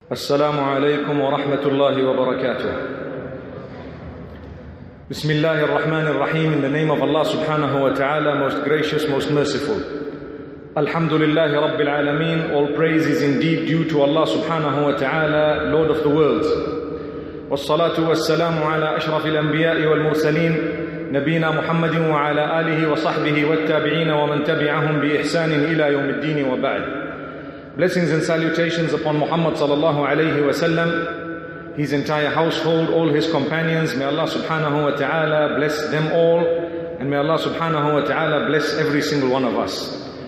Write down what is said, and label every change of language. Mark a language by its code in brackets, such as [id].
[ar] السلام عليكم ورحمة الله وبركاته. بسم الله الرحمن الرحيم. [en] In the name of Allah سبحانه وتعالى, most gracious, most merciful. [ar] الحمد لله رب العالمين. [en] All praise is indeed due to Allah سبحانه وتعالى, Lord of the worlds. [ar] والصلاة والسلام على أشرف الأنبياء والمرسلين نبينا محمد وعلى آله وصحبه والتابعين ومن تبعهم بإحسان إلى يوم الدين وبعد. [en] Blessings and salutations upon Muhammad sallallahu alayhi wa sallam, his entire household, all his companions. May Allah subhanahu wa ta'ala bless them all, and may Allah subhanahu wa ta'ala bless every single one of us.